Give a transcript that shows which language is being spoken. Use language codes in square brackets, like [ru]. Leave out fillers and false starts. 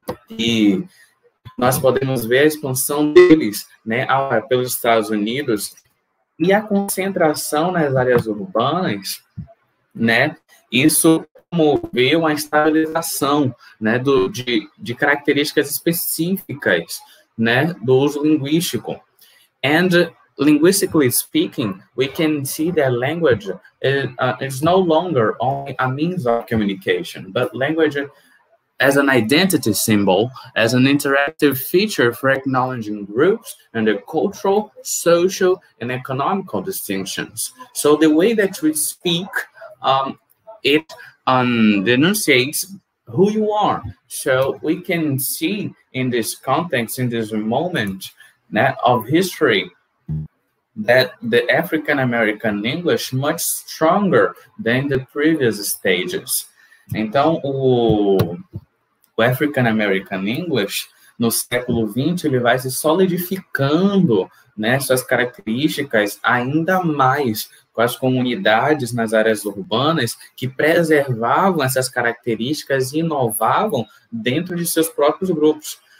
[pt] E nós podemos ver a expansão deles, né, pelos Estados Unidos e a concentração nas áreas urbanas, né, isso promoveu a estabilização, né, de características específicas, né, do uso linguístico. [en] And linguistically speaking, we can see that language is no longer only a means of communication, but language as an identity symbol, as an interactive feature for acknowledging groups and their cultural, social, and economical distinctions. So the way that we speak, it denunciates who you are. So we can see in this context, in this moment, né, of history, that the African American English much stronger than the previous stages. [pt] Então, o African American English, no século XX, ele vai se solidificando, né, suas características ainda mais com as comunidades nas áreas urbanas que preservavam essas características e inovavam dentro de seus próprios grupos.